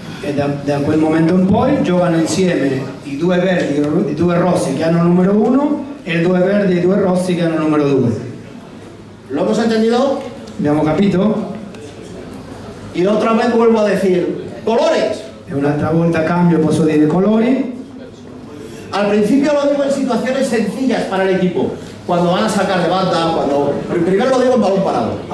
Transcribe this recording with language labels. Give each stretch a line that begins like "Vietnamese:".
Italian: E da quel momento
Spanish: en poi
Italian: giocano insieme i due verdi e due rossi que hanno numero uno, e due verdi e due rossi que hanno numero due.
Spanish: ¿Lo hemos entendido?
Italian: Abbiamo capito?
Spanish: Y otra vez vuelvo a decir colores.
Italian: E un'altra volta cambio, posso dire colori.
Spanish: Al principio lo digo en situaciones sencillas para el equipo, cuando van a sacar de banda, cuando. Primero lo digo en balón parado.